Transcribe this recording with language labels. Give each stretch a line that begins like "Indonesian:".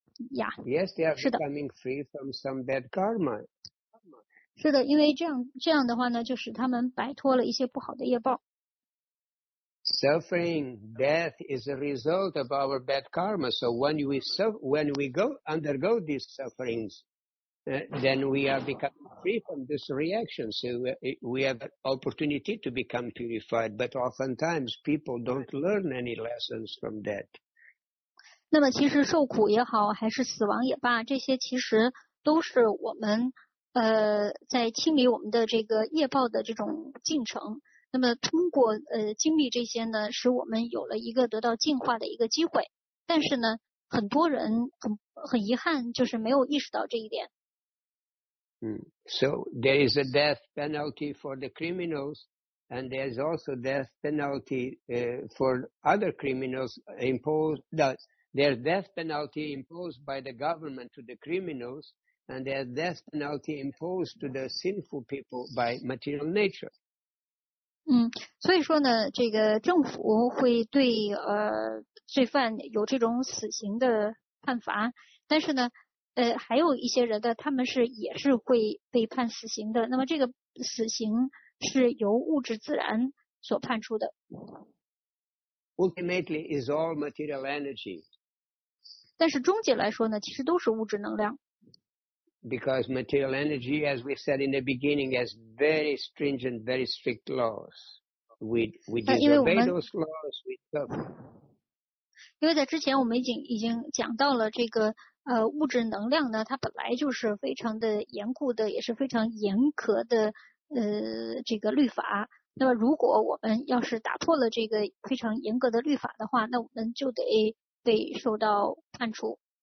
English: Yes, they are becoming free from some bad karma.
Chinese: 是的，因为这样的话呢，就使他们摆脱了一些不好的业报。
English: Suffering, death is a result of our bad karma. So when we undergo these sufferings, then we are becoming free from this reaction. So we have an opportunity to become purified. But oftentimes people don't learn any lessons from that.
Chinese: 那么其实受苦也好还是死亡也罢，这些其实都是我们在清理我们的这个业报的这种进程。那么通过经历这些呢，使我们有了一个得到进化的一个机会。但是呢，很多人很遗憾就是没有意识到这一点。
English: So there is a death penalty for the criminals. And there's also death penalty for other criminals imposed. There's death penalty imposed by the government to the criminals, and there's death penalty imposed to the sinful people by material nature.
Chinese: 所以说呢，这个政府会对罪犯有这种死刑的判罚，但是呢，还有一些人的他们是也是会被判死刑的。那么这个死刑。是由物质自然所判出的。
English: Ultimately, is all material energy.
Chinese: 但是终结来说呢，其实都是物质能量。
English: Because material energy, as we said in the beginning, has very stringent, very strict laws. We disobey those laws. We don't.
Chinese: 因为在之前我们已经讲到了这个物质能量呢，它本来就是非常的严酷的，也是非常严苛的这个律法。那么如果我们要是打破了这个非常严格的律法的话，那我们就得被受到判处。